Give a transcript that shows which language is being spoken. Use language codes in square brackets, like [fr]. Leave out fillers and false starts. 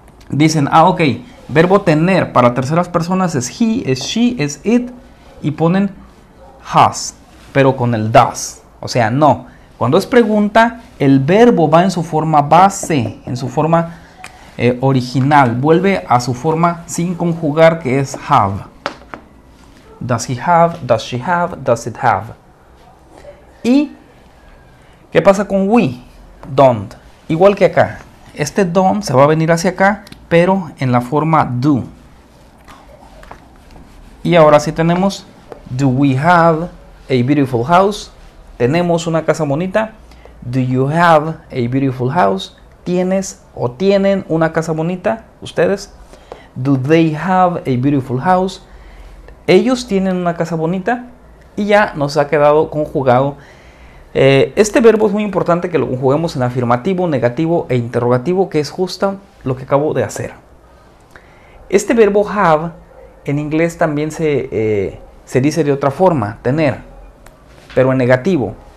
[es] Dicen, ah, ok, verbo tener para terceras personas es he, es she, es it, y ponen has, pero con el does. O sea, no. Cuando es pregunta, el verbo va en su forma base, en su forma original. Vuelve a su forma sin conjugar, que es have. [en] Does he have, does she have, does it have. [es] Y... ¿qué pasa con we? Don't. Igual que acá. Este don't se va a venir hacia acá, pero en la forma do. Y ahora sí tenemos, [en] do we have a beautiful house? [es] ¿Tenemos una casa bonita? [en] Do you have a beautiful house? [es] ¿Tienes o tienen una casa bonita? ¿Ustedes? [en] Do they have a beautiful house? [es] ¿Ellos tienen una casa bonita? Y ya nos ha quedado conjugado. Este verbo es muy importante que lo conjuguemos en afirmativo, negativo e interrogativo, que es justo lo que acabo de hacer. Este verbo have en inglés también se dice de otra forma, tener, pero en negativo.